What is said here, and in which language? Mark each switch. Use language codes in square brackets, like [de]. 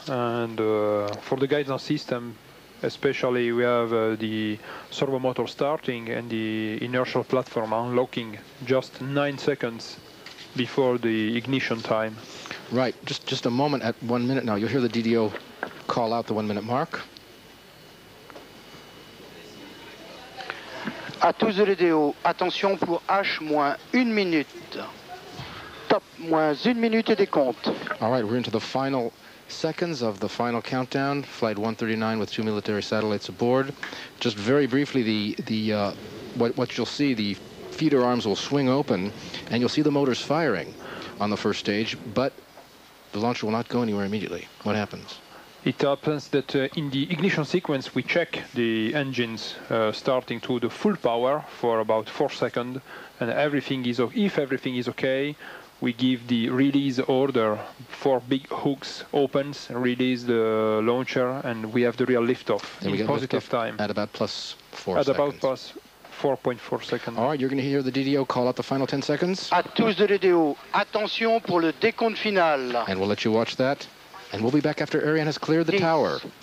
[en] And for the guidance system, especially we have the servo motor starting and the inertial platform unlocking just 9 seconds before the ignition time. Right, just a moment at 1 minute now. You'll hear the DDO call out the 1 minute mark. [fr] À tous les DDO, attention pour H moins 1 minute. Top moins 1 minute et décompte. [en] All right, we're into the final seconds of the final countdown. Flight 139 with two military satellites aboard. Just very briefly, what you'll see, the feeder arms will swing open, and you'll see the motors firing on the first stage, but the launcher will not go anywhere immediately. What happens? It happens that in the ignition sequence, we check the engines starting to the full power for about 4 seconds, and if everything is okay, we give the release order. 4 big hooks opens, release the launcher, and we have the real liftoff then in positive liftoff time. At about plus 4 at seconds. At about plus 4.4 seconds. All right, you're going to hear the DDO call out the final 10 seconds. [fr] À tous de DDO, attention pour le décompte final. [en] And we'll let you watch that. And we'll be back after Ariane has cleared the tower.